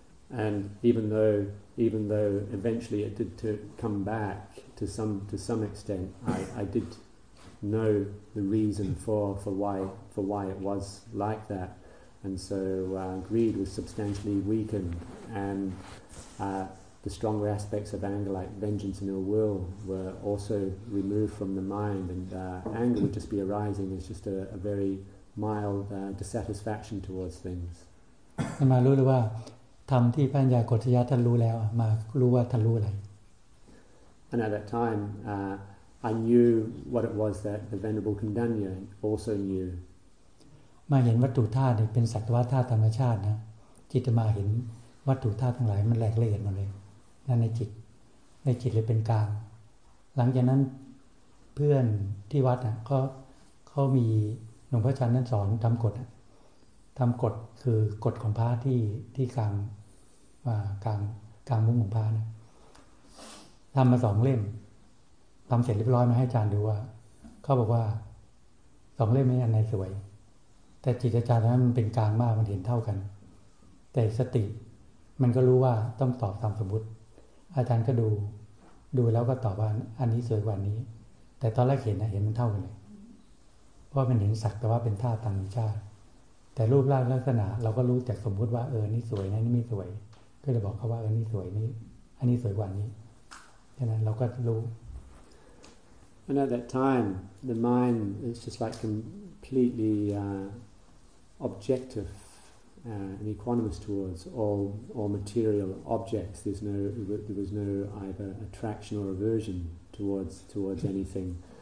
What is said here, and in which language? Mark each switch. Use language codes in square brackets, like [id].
[en] and even though eventually it did to come back to some extent, I did know the reason for why it was like that, and so greed was substantially weakened, and the stronger aspects of anger, like vengeance and ill will, were also removed from the mind, and anger would just be arising as just a very mild dissatisfaction towards things. [th] I มารู้เลยว่าทำที่พระอัญญาโกฏิยะท่านรู้แล้วมารู้ว่าท่านรู้อะไร [en] And at that time, I knew what it was that the Venerable Kundanya also knew. [th] มาเห็นวัตถุธาตุเป็นสัตวธาตุธรรมชาตินะจิตมาเห็นวัตถุธาตุทั้งหลายมันแหลกละเอียดหมดเลยนั่นในจิตเลยเป็นกลางหลังจากนั้นเพื่อนที่วัดอ่ะเขามีหลวงพ่อชันนั่นสอนทำกฎทำกฎคือกฎของพระที่กลางมุ้งของพระนะ ทำมาสองเล่มทำเสร็จเรียบร้อยมาให้อาจารย์ดูว่าเขาบอกว่าสองเล่มนี้อันไหนสวยแต่จิตอาจารย์นั้นมันเป็นกลางมากมันเห็นเท่ากันแต่สติมันก็รู้ว่าต้องตอบตามสมมติอาจารย์ก็ดูแล้วก็ตอบว่าอันนี้สวยกว่านี้แต่ตอนแรกเห็นมันเท่ากันเลย เพราะมันเห็นสักแต่ว่าเป็นธาตุตามชาติแต่รูปร่างลักษณะเราก็รู้จากสมมติว่าเออนี่สวยนะนี่ไม่สวยก็เลยบอกเขาว่าเออนี่สวยนี่อันนี้สวยกว่านี้ฉะนั้นเราก็รู้ [en] And at that time the mind is just like completely objectiveAnd equanimous towards all material objects. There was no either attraction or aversion towards anything.